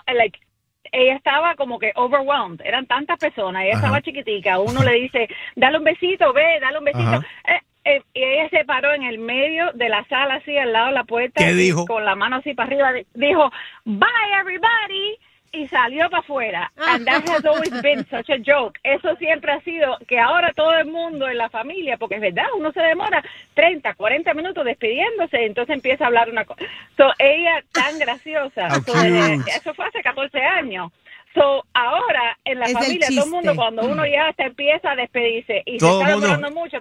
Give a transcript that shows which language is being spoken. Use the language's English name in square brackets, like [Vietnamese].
[Spanish] Like, ella estaba como que overwhelmed, eran tantas personas, ella estaba chiquitica, uno le dice, dale un besito, ve, dale un besito, y ella se paró en el medio de la sala, así al lado de la puerta, ¿qué dijo? Con la mano así para arriba, dijo, [English] bye everybody, [Spanish] y salió para afuera. [English] And that has always been such a joke. [Spanish] Eso siempre ha sido que ahora todo el mundo en la familia, porque es verdad, uno se demora 30, 40 minutos despidiéndose, entonces empieza a hablar una cosa. So, ella tan graciosa. Eso fue hace 14 años. So, ahora en la es familia, todo el mundo, cuando uno ya se empieza a despedirse y todo se está demorando mucho,